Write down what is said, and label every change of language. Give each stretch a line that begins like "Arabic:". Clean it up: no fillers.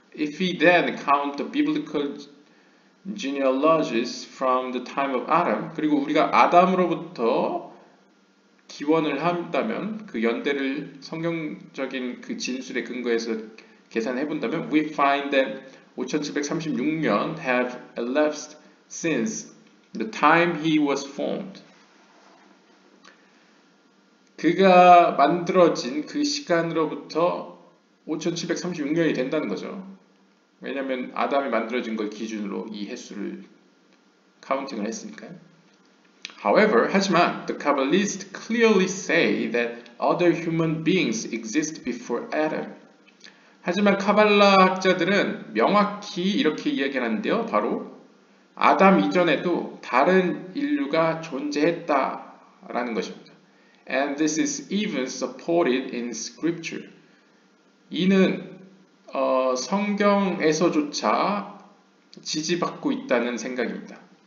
English: If we then count the biblical genealogies from the time of Adam,
Korean: 그리고 우리가 아담으로부터 기원을 한다면, 그 연대를 성경적인 그 진술의 근거에서 계산해 본다면,
English: we find that 5736년 have elapsed since the time he was formed.
Korean: 그가 만들어진 그 시간으로부터 5736년이 된다는 거죠. 왜냐하면 아담이 만들어진 걸 기준으로 이 횟수를 카운팅을 했으니까요.
English: However, 하지만 the Kabbalists clearly say that other human beings exist before Adam.
Korean: 하지만 카발라 학자들은 명확히 이렇게 이야기하는데요. 바로 아담 이전에도 다른 인류가 존재했다라는 것입니다.
English: And this is even supported in scripture.
Korean: 이는 성경에서조차 지지받고 있다는 생각입니다.